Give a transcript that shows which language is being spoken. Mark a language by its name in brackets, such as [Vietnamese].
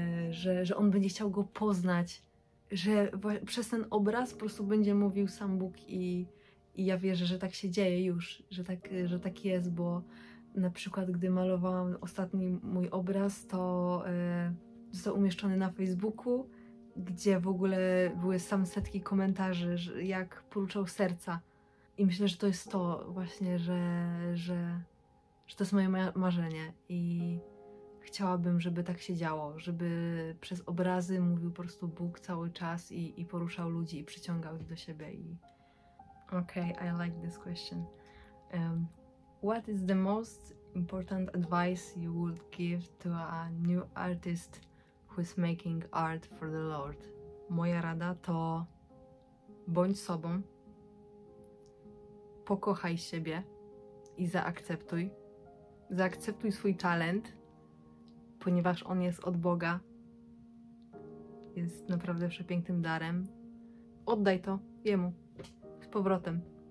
[Polish] że on będzie chciał Go poznać, że przez ten obraz po prostu będzie mówił sam Bóg i ja wierzę, że tak się dzieje już, że tak jest, bo na przykład gdy malowałam ostatni mój obraz, to został umieszczony na Facebooku, gdzie w ogóle były sam setki komentarzy, jak poruszał serca. I myślę, że to jest to właśnie, że to jest moje marzenie i chciałabym, żeby tak się działo, żeby przez obrazy mówił po prostu Bóg cały czas i poruszał ludzi i przyciągał ich do siebie. [English] Okay, I like this question. What is the most important advice you would give to a new artist who is making art for the Lord? [Polish] Moja rada to bądź sobą. Pokochaj siebie i zaakceptuj. Zaakceptuj swój talent, ponieważ on jest od Boga. Jest naprawdę przepięknym darem. Oddaj to Jemu z powrotem.